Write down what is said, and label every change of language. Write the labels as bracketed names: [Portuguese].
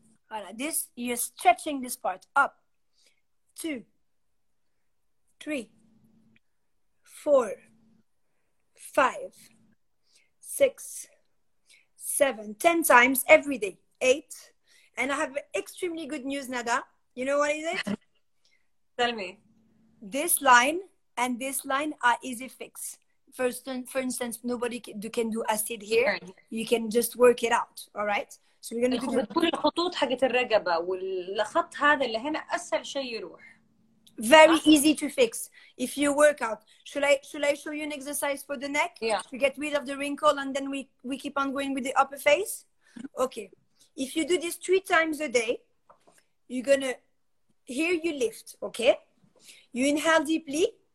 [English] Voilà, this, you're stretching this part, up, two, three, four, five, six, seven, 10 times every day, eight. And I have extremely good news, Nada. You know what is it? Tell me. This line and this line are easy fix. First, for instance, nobody can do acid here. You can just work it out, all right? So we're going to do the... [Arabic] الخطوط حقت الرقبة والخط هذا اللي هنا أسهل شيء يروح. [English] Very easy to fix if you work out. Should I show you an exercise for the neck? Yeah. To get rid of the wrinkle and then we keep on going with the upper face? Okay. If you do this three times a day, you're going to... Here you lift, okay? You inhale deeply.